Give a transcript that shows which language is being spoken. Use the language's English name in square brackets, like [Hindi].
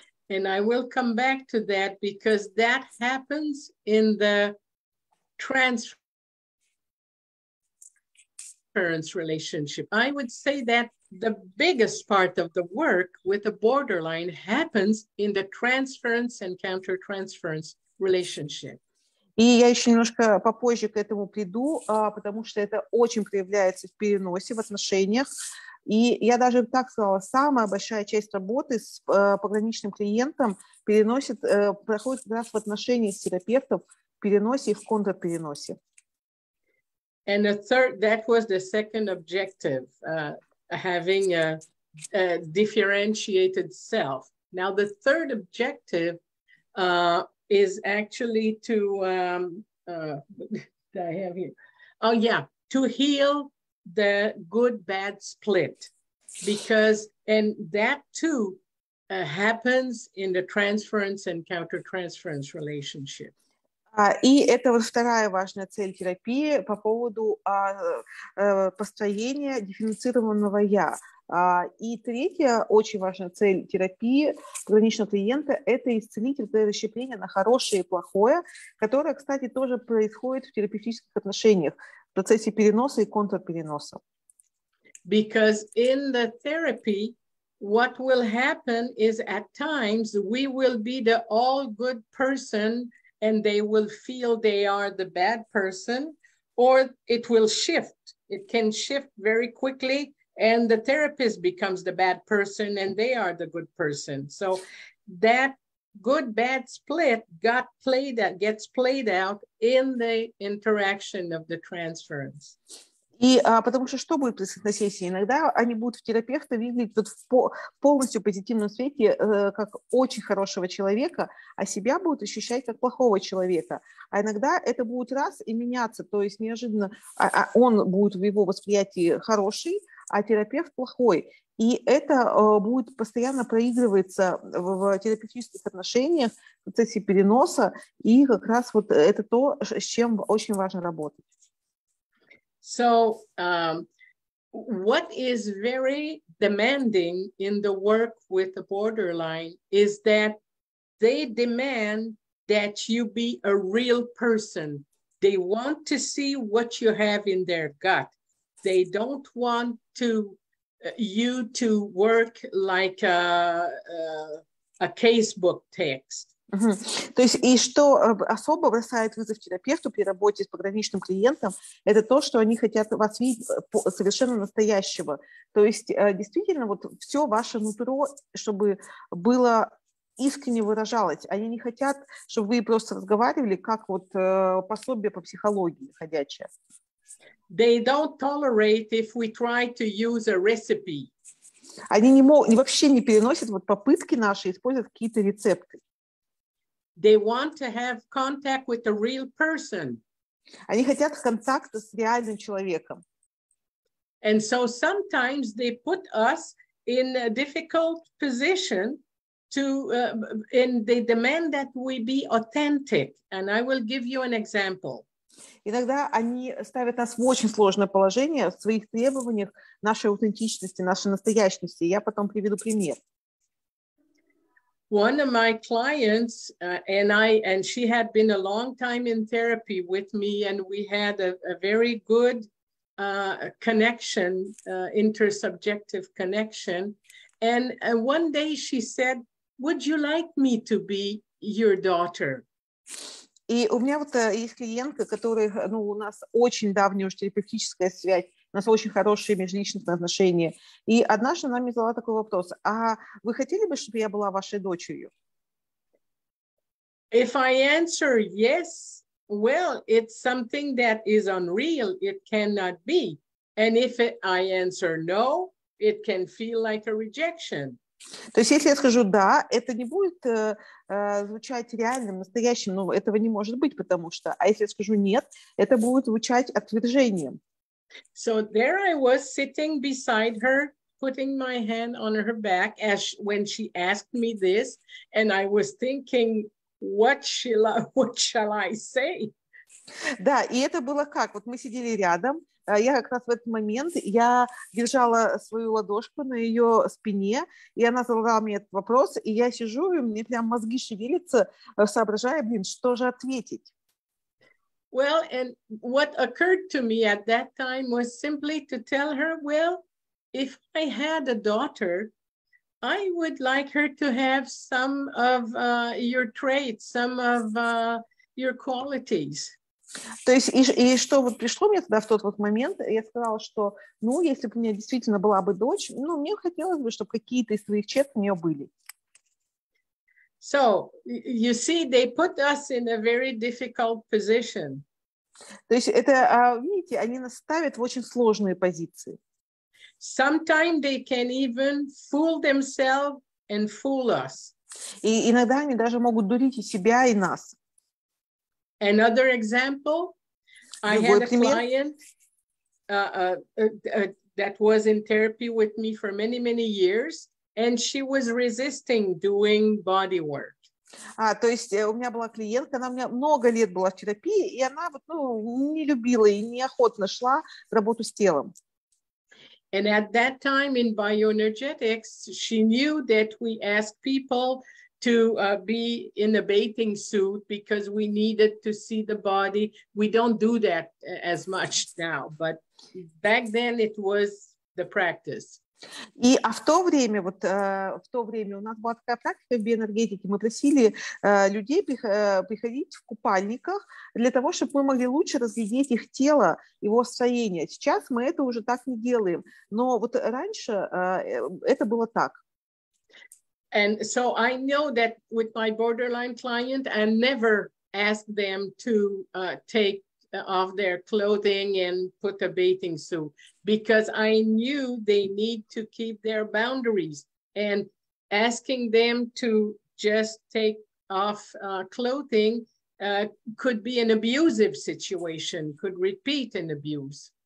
[English] And I will come back to that because that happens in the transference relationship. I would say that the biggest part of the work with the borderline happens in the transference and counter-transference relationship. [Russian] И я еще немножко попозже к этому приду, потому что это очень проявляется в переносе, в отношениях. И я даже так сказала, самая большая часть работы с пограничным клиентом проходит как раз в отношениях с терапевтом, переносе и в контрпереносе. [English] And the third, that was the second objective, having a differentiated self. Now the third objective is actually to I have here? Oh, yeah. To heal the good-bad split. Because, and that too happens in the transference and counter-transference relationship. [Russian] И это вот вторая важная цель терапии по поводу построения дифференцированного «я». И третья очень важная цель терапии граничного клиента – это исцелить это расщепление на хорошее и плохое, которое, кстати, тоже происходит в терапевтических отношениях в процессе переноса и контрпереноса. [English] Because in the therapy, what will happen is at times we will be the all-good person and they will feel they are the bad person, or it will shift. It can shift very quickly, and the therapist becomes the bad person and they are the good person. So that good-bad split gets played out in the interaction of the transference. [Russian] И потому что что будет происходить на сессии? Иногда они будут в терапевта видеть вот в полностью позитивном свете как очень хорошего человека, а себя будут ощущать как плохого человека. А иногда это будет раз и меняться, то есть неожиданно он будет в его восприятии хороший, а терапевт плохой. И это будет постоянно проигрываться в терапевтических отношениях, в процессе переноса, и как раз вот это то, с чем очень важно работать. [English] So what is very demanding in the work with the borderline is that they demand that you be a real person. They want to see what you have in their gut. They don't want to you to work like a casebook text. [Russian] То есть, и что особо бросает вызов терапевту при работе с пограничным клиентом, это то, что они хотят вас видеть совершенно настоящего. То есть, действительно, вот все ваше нутро, чтобы было искренне выражалось. Они не хотят, чтобы вы просто разговаривали, как вот пособие по психологии ходячее. [English] They don't tolerate if we try to use a recipe. [Russian] Они вообще не переносят вот попытки наши использовать какие-то рецепты. [English] They want to have contact with a real person. [Russian] Они хотят контакта с реальным человеком. [English] And so sometimes they put us in a difficult position and they demand that we be authentic. And I will give you an example. [Russian] Иногда они ставят нас в очень сложное положение в своих требованиях нашей аутентичности, нашей настоящности. Я потом приведу пример. [English] One of my clients and she had been a long time in therapy with me, and we had a very good connection, intersubjective connection. And one day she said, "Would you like me to be your daughter?" [Russian] И у меня вот есть клиентка, которая, ну, у нас очень давняя уже терапевтическая связь. У нас очень хорошие межличностные отношения. И однажды она мне задала такой вопрос. А вы хотели бы, чтобы я была вашей дочерью? [English] If I answer yes, well, it's something that is unreal. It cannot be. And if I answer no, it can feel like a rejection. [Russian] То есть если я скажу «да», это не будет звучать реальным, настоящим. Но этого не может быть, потому что. А если я скажу «нет», это будет звучать отвержением. [English] So there I was sitting beside her, putting my hand on her back when she asked me this, and I was thinking, what shall I say? [Russian] Да, и это было как? Вот мы сидели рядом, я как раз в этот момент, я держала свою ладошку на ее спине, и она задала мне этот вопрос, и я сижу, и мне прям мозги шевелятся, соображая, блин, что же ответить? [English] Well, and what occurred to me at that time was simply to tell her, well, if I had a daughter, I would like her to have some of your traits, some of your qualities. [Russian] То есть, и что вот пришло мне тогда в тот вот момент, я сказала, что, ну, если бы у меня действительно была бы дочь, ну, мне хотелось бы, чтобы какие-то из твоих черт у нее были. [English] So, you see, they put us in a very difficult position. [Russian] То есть это, видите, они нас ставят в очень сложные позиции. [English] Sometimes they can even fool themselves and fool us. [Russian] И иногда они даже могут дурить и себя, и нас. [English] Another example, I had a client that was in therapy with me for many, many years, and she was resisting doing body work. [Russian] А, то есть у меня была клиентка, она у меня много лет была в терапии, и она вот, ну, не любила и неохотно шла работу с телом. [English] And at that time in bioenergetics, she knew that we ask people to be in a bathing suit because we needed to see the body. We don't do that as much now, but back then it was the practice. [Russian] И, а в то время, вот в то время у нас была такая практика в биоэнергетике, мы просили людей приходить в купальниках для того, чтобы мы могли лучше разглядеть их тело, его строение. Сейчас мы это уже так не делаем, но вот раньше это было так. [English] And so I know that with my borderline client, I never ask them to take off their clothing and put a bathing suit, because I knew they need to keep their boundaries. And asking them to just take off clothing could be an abusive situation, could repeat an abuse.